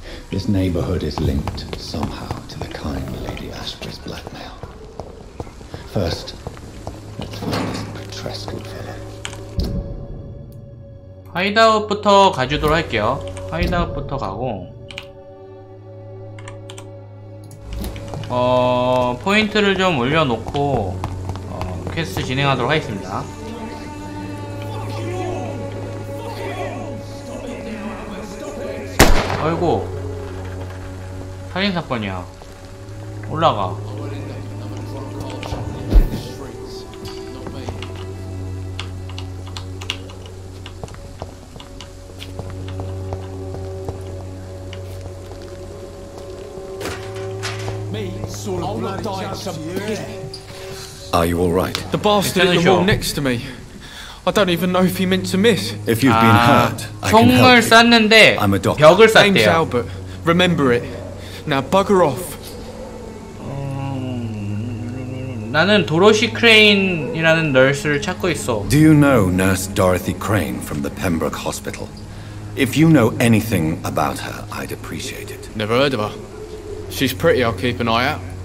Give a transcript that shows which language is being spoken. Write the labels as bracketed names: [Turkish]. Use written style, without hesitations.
[English] This neighborhood is linked somehow to the kind Lady Ashbury's blackmail. First, let's find this Petrescu fellow. [Korean] 하이드아웃부터 가주도록 할게요. 하이드아웃부터 가고. 포인트를 좀 올려놓고, 퀘스트 진행하도록 하겠습니다. 아이고. 살인 사건이야. 올라가. [English] 아, you all right? The bastard in the wall next to me. I don't even know if he meant to miss. If you've been hurt, I can help. [Korean] 총을 쐈는데 벽을 쐈대요. [English] James Albert, remember it. Now bugger off. [Korean] 나는 도로시 크레인이라는 널스를 찾고 있어. [English] Do you know Nurse Dorothy Crane from the Pembroke Hospital? If you know anything about her, I'd appreciate it. Never heard of her. She's pretty, I'll keep an eye out.